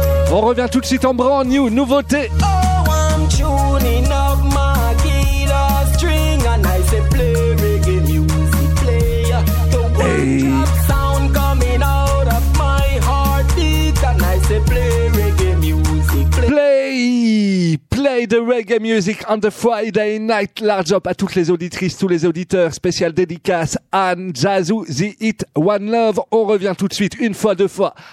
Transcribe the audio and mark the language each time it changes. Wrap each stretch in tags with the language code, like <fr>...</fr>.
<fr>On revient tout de suite en brand new nouveauté.</fr> <en>Oh, I'm tuning up my guitar string and I say play reggae music, play. The word drop sound coming out of my heartbeat and I say play reggae music, play. Play the reggae music on the Friday night. Large up</en> <fr>à toutes les auditrices, tous les auditeurs. Spécial dédicace Anne, Jazzu, The Hit, One Love. On revient tout de suite, une fois, deux fois.</fr>